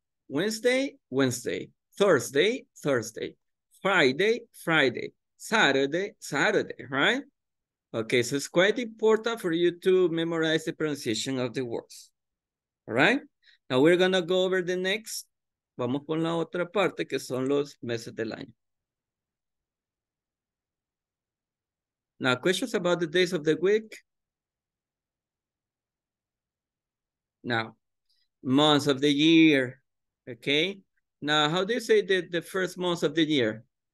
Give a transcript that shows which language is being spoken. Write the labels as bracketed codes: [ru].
[en] Wednesday, Wednesday. Thursday, Thursday. Friday, Friday. Saturday, Saturday, right? Okay, so it's quite important for you to memorize the pronunciation of the words. All right? Now we're going to go over the next. [es] Vamos con la otra parte, que son los meses del año. [en] Now, questions about the days of the week? Now, months of the year, okay? Now, how do you say the first months of the year?